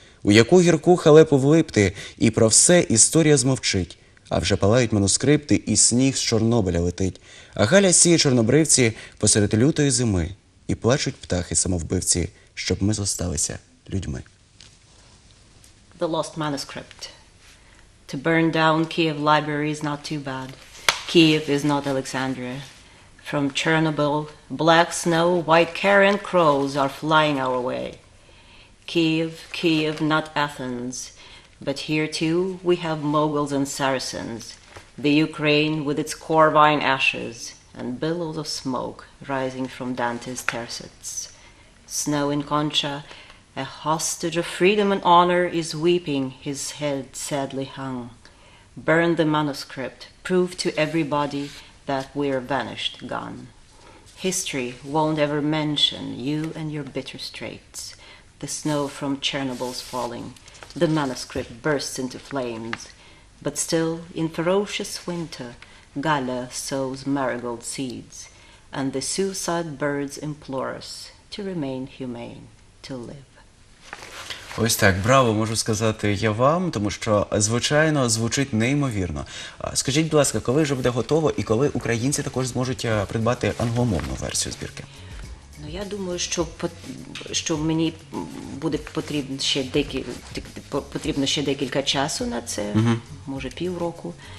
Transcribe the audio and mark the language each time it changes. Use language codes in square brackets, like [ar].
[uk] У яку гірку халепу влипти, і про все історія змовчить, а вже палають манускрипти, і сніг з Чорнобиля летить. А Галя сіє чорнобривці посеред лютої зими, і плачуть птахи-самовбивці, щоб ми зосталися людьми. [en] The lost manuscript. To burn down Kiev library is not too bad. Kiev is not Alexandria. From Chernobyl, black snow, white carrion crows are flying our way. Kiev, Kiev, not Athens. But here too we have Moguls and Saracens. The Ukraine with its corvine ashes and billows of smoke rising from Dante's tercets. Snow in Concha, a hostage of freedom and honor is weeping, his head sadly hung. Burn the manuscript, prove to everybody that we're vanished, gone. History won't ever mention you and your bitter straits. The snow from Chernobyl's falling, the manuscript bursts into flames. But still, in ferocious winter, Galla sows marigold seeds, and the suicide birds implore us to remain humane, to live. [uk] Ось так, браво, можу сказати я вам, тому що, звичайно, звучить неймовірно. Скажіть, будь ласка, коли вже буде готово і коли українці також зможуть придбати англомовну версію збірки? Ну, Я думаю, що мені буде потрібно ще декілька часу на це, може півроку.